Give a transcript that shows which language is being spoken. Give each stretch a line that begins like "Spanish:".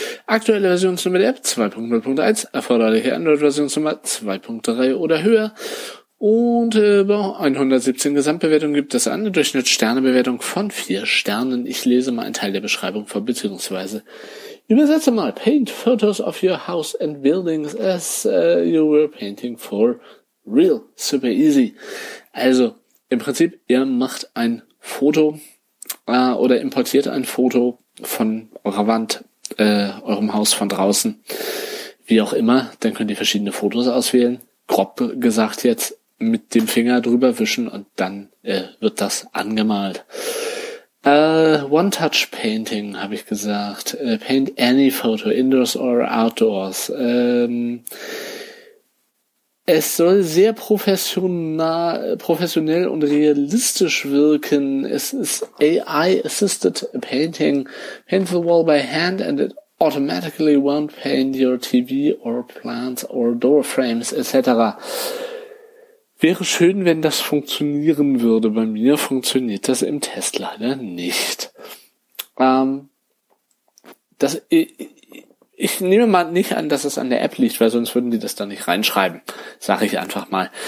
German: Aktuelle Versionsnummer der App 2.0.1, erforderliche Android-Versionsnummer 2.3 oder höher. Und über 117 Gesamtbewertungen gibt es eine Durchschnittssternebewertung von 4 Sternen. Ich lese mal einen Teil der Beschreibung vor, beziehungsweise übersetze mal.
English: Paint photos of your house and buildings as you were painting for real. Super easy.
German: Also, im Prinzip, ihr macht ein Foto oder importiert ein Foto von eurer Wand, eurem Haus von draußen, wie auch immer. Dann könnt ihr verschiedene Fotos auswählen, grob gesagt jetzt mit dem Finger drüber wischen und dann wird das angemalt.
English: One-Touch-Painting,
German: habe ich gesagt.
English: Paint any photo, indoors or outdoors.
German: Es soll sehr professionell und realistisch wirken. Es ist AI-assisted painting.
English: Paint the wall by hand and it automatically won't paint your TV or plants or door frames etc.
German: Wäre schön, wenn das funktionieren würde. Bei mir funktioniert das im Test leider nicht. Ich nehme mal nicht an, dass es an der App liegt, weil sonst würden die das da nicht reinschreiben. Sage ich einfach mal.